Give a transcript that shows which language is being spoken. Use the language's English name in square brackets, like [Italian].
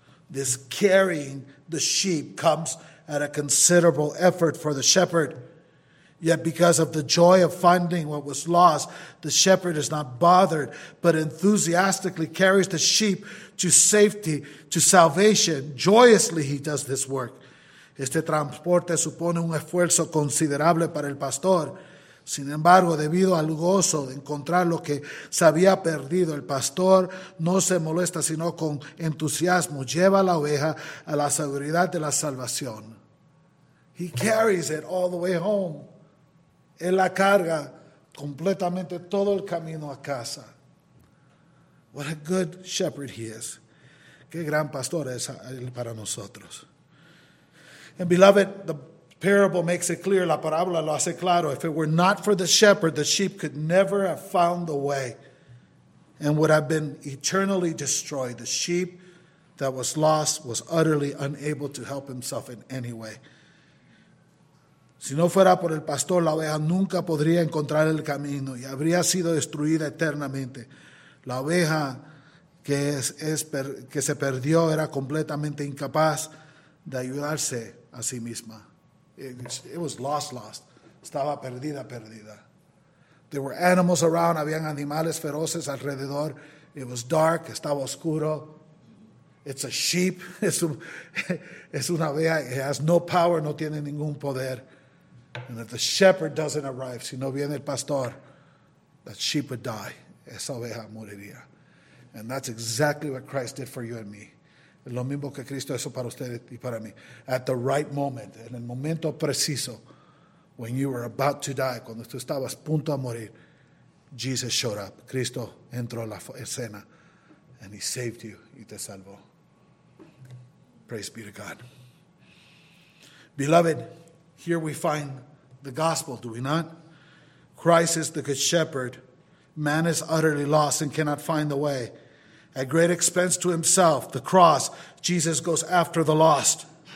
[English] This carrying the sheep comes at a considerable effort for the shepherd. Yet because of the joy of finding what was lost, the shepherd is not bothered, but enthusiastically carries the sheep to safety, to salvation. Joyously he does this work. [Spanish] Este transporte supone un esfuerzo considerable para el pastor. Sin embargo, debido al gozo de encontrar lo que se había perdido, el pastor no se molesta, sino con entusiasmo lleva a la oveja a la seguridad de la salvación. [English] He carries it all the way home. [Spanish] Él la carga completamente todo el camino a casa. [English] What a good shepherd he is. [Spanish] Qué gran pastor es él para nosotros. [English] And beloved, the parable makes it clear, [Spanish] la parábola lo hace claro. [English] If it were not for the shepherd, the sheep could never have found the way and would have been eternally destroyed. The sheep that was lost was utterly unable to help himself in any way. [Spanish] Si no fuera por el pastor, la oveja nunca podría encontrar el camino y habría sido destruida eternamente. La oveja que se perdió era completamente incapaz de ayudarse a sí misma. [English] It was lost. [Spanish] Estaba perdida. [English] There were animals around. [Spanish] Habían animales feroces alrededor. [English] It was dark. [Spanish] Estaba oscuro. [English] It's a sheep. [Spanish] Es una oveja. [English] It has no power. [Spanish] No tiene ningún poder. [English] And if the shepherd doesn't arrive, [Spanish] si no viene el pastor, [English] that sheep would die. [Spanish] Esa oveja moriría. [English] And that's exactly what Christ did for you and me. [Spanish] Lo mismo que Cristo hizo para usted y para mí. [English] At the right moment, [Spanish] en el momento preciso, [English] when you were about to die, [Spanish] cuando tú estabas a punto a morir, [English] Jesus showed up. [Spanish] Cristo entró a la escena, [English] and he saved you, [Spanish] y te salvó. [English] Praise be to God. Beloved, here we find the gospel, do we not? Christ is the good shepherd, Man is utterly lost and cannot find the way. At great expense to himself, the cross, Jesus goes after the lost.